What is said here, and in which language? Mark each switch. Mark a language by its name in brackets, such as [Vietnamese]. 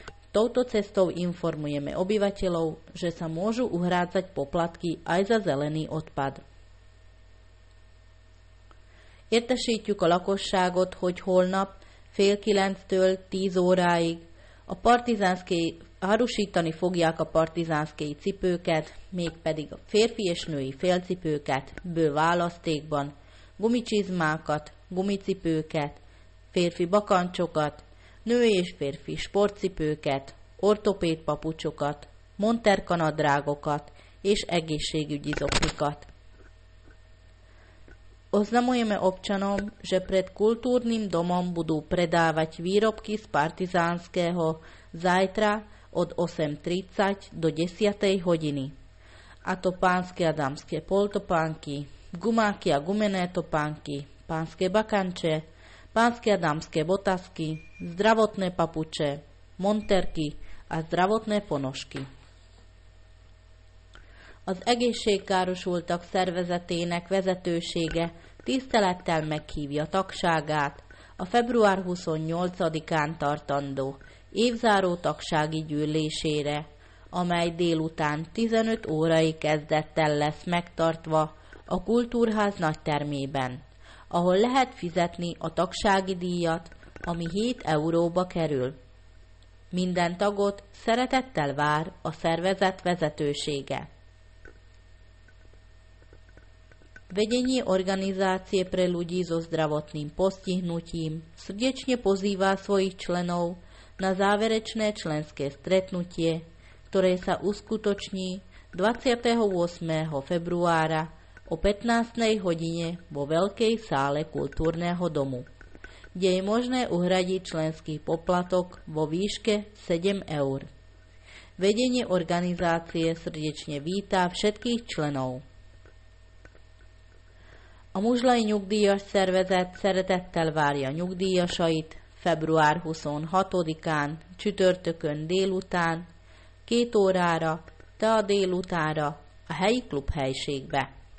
[Slovak] Touto cestou informujeme obyvateľov, že sa môžu uhrádzať poplatky aj za zelený odpad. [Hungarian] Értesítjük a lakosságot, hogy holnap 8:30-től 10 óráig a partizánskej árusítani fogják a partizánskei cipőket, mégpedig a férfi és női félcipőket, bő választékban, gumicsizmákat, gumicipőket, férfi bakancsokat, női és férfi sportcipőket, ortopéd papucsokat, monterkanadrágokat és egészségügyi zoknikat. [Slovak] Oznamujeme občanom, že pred kultúrnym domom budú predávať výrobky z partizánskeho zajtra od 8:30 do 10:00 hodiny. A to pánske a dámske poltopánky, gumáky a gumené topánky, pánske bakanče, pánske a dámske botasky, zdravotné papuče, monterky a zdravotné ponožky. [Hungarian] Az egészségkárosultak szervezetének vezetősége tisztelettel meghívja tagságát a február 28-án tartandó évzáró tagsági gyűlésére, amely délután 15 órai kezdettel lesz megtartva a Kultúrház nagytermében, ahol lehet fizetni a tagsági díjat, ami 7 euróba kerül. Minden tagot szeretettel vár a szervezet vezetősége. [Slovak] Vedenie organizácie pre ľudí so zdravotným postihnutím srdečne pozýva svojich členov na záverečné členské stretnutie, ktoré sa uskutoční 28. februára o 15. hodine vo Veľkej sále Kultúrneho domu, kde je možné uhradiť členský poplatok vo výške 7 eur. Vedenie organizácie srdečne vítá všetkých členov. [Hungarian] A Muzslai Nyugdíjas Szervezet szeretettel várja nyugdíjasait február 26-án, csütörtökön délután, 2 órára, te a délutánra, a helyi klubhelyiségbe.